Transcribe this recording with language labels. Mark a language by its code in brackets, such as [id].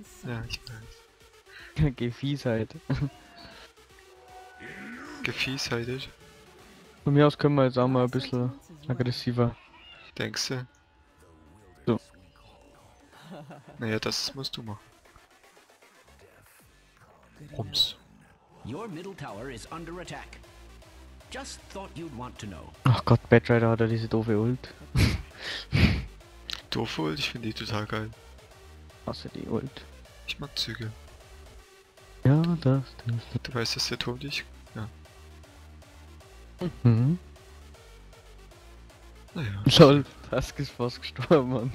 [de] Ja, ich weiß. Gefiesheit. Gefiesheitig. Von mir aus können wir jetzt auch mal ein bisschen aggressiver. Denkst du? So. Naja, das musst du machen. Ums. [en] Your middle tower is under attack. Just thought you'd want to know. [de] Ach Gott, Batrider hat ja diese doofe Ult. Doofe Ult? Ich finde die total geil. Außer die Ult. Ich mag Züge. Ja, das. Du weißt, dass der Turm dich... Ja. Mhm. Naja. Lol, Task ist fast gestorben, Mann.